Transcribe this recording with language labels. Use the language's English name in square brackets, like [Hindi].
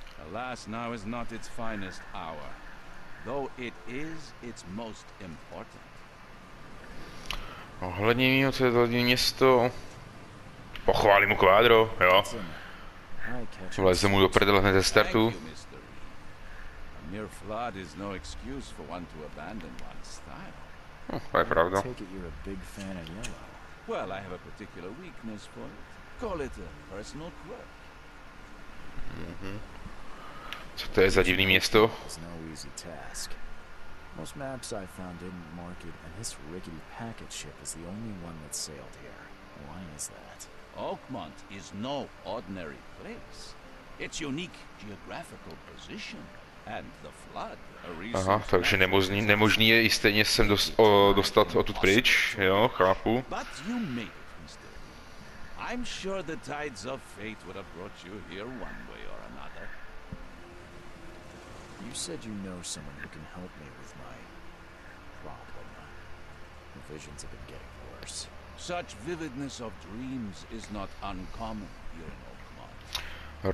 [English] Alas, now is not its finest hour, though it is its most important. [Czech] Ohledně mýho, co je to město. Pochválím mu kvádro, jo. Vlezu mu do prdele hned ze startu. [English] A mere flood is no excuse for one to abandon one's style. [Czech] To je pravda. [English] Take it you're a big fan of yellow. Well, I have a particular weakness for it. Call it a personal quirk. [Czech] Co to je za divný město? [English] It's no easy task. Most maps I found didn't mark it, and this rickety packet ship is the only one that sailed here. Why is that? Oakmont is no ordinary place. Its unique geographical position and the flood a reason. [Czech] Aha, takže nemožný je i stejně sem dostat odtud pryč, jo, chápu. [English] But you made it, Mr. I'm sure the tides of fate would have brought you here one way or another. You said you know someone who can help me with my problem. The visions have been getting worse. Such vividness of dreams is not uncommon here in Oakmont.